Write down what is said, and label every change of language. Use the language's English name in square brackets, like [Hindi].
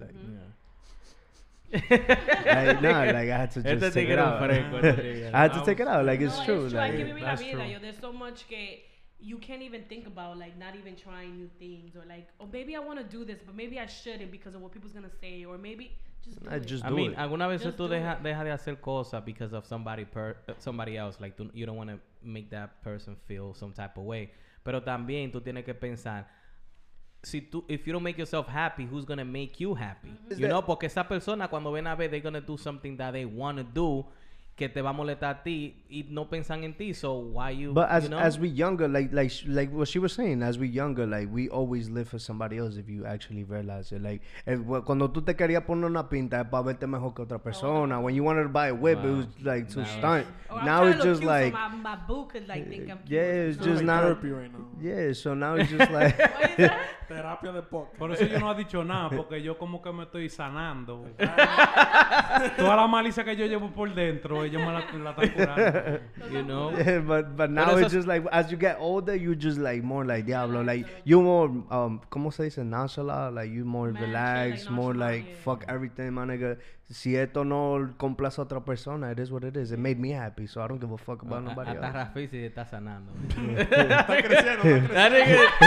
[English] Like, yeah. Like, no, like, I had to just take it out. I had to take it out. Like, it's true. It's true. Like, yeah, that's true. Yo, there's so much that you can't even think about, like, not even trying new things, or like, oh, maybe I want to do this, but maybe I shouldn't because of what people's gonna say, or maybe just do it. I mean, [Spanish] alguna vez tú dejas de hacer cosas [English] because of somebody else. Like, you don't want to make that person feel some type of way. [Spanish] Pero también tú tienes que pensar. Si tú, [English] if you don't make yourself happy, who's going to make you happy? [Spanish] Mm-hmm. [English] You know, [Spanish] porque esa persona, cuando ven a ver, [English] they're going to do [Spanish] something that they want to do, que te va a molestar a ti, y no pensan en ti, [English] so why you, but as, you know? But as we younger, like what she was saying, as we younger, like, we always live for somebody else if you actually realize it. [Spanish] Like, cuando tú te querías poner una pinta, es para verte mejor que otra persona. [English] When you wanted to buy a whip, wow, it was, like, too stunt. Now it's just, like... So my boo could, like, think I'm cute. Yeah, it's so just like not... therapy right now. Yeah, so now it's just, like... [Spanish] Terapia de poca. Por eso yo no he dicho nada, porque yo como que me estoy sanando. Toda la malicia que yo llevo por dentro, ellos me la están curando. [English] You know? Yeah, but now it's just like, as you get older, you just like more like Diablo. Like, you more, [Spanish] ¿cómo se dice? Nashala. [English] Like, you more man, relaxed, like, more like, yeah, fuck everything, my nigga. [Spanish] Si esto no complace a otra persona, [English] it is what it is. It made me happy, so I don't give a fuck about nobody else. [Spanish] Hasta Rafi se está sanando. Está creciendo, está creciendo.